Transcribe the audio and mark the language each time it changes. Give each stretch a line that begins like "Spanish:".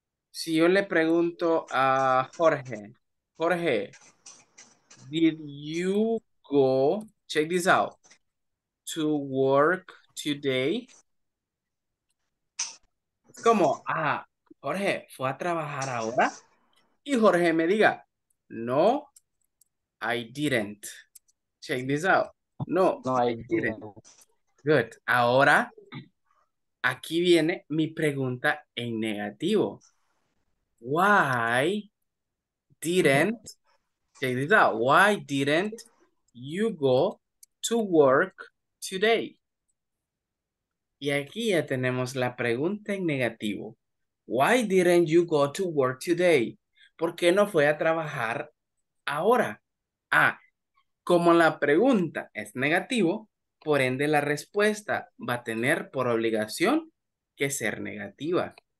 Spanish: Si yo le pregunto a Jorge,
English: Jorge, did you go, check this out, to work today?
Spanish: Es como, ah, Jorge, ¿fue a trabajar ahora? Y Jorge me diga, no,
English: I didn't. Check this out.
Spanish: No,
English: no, I didn't.
Spanish: Good. Ahora, aquí viene mi pregunta en negativo.
English: Why didn't, check this out, why didn't you go to work today?
Spanish: Y aquí ya tenemos la pregunta en negativo.
English: Why didn't you go to work today?
Spanish: ¿Por qué no fue a trabajar ahora? Ah, como la pregunta es negativo, por ende la respuesta va a tener por obligación que ser negativa.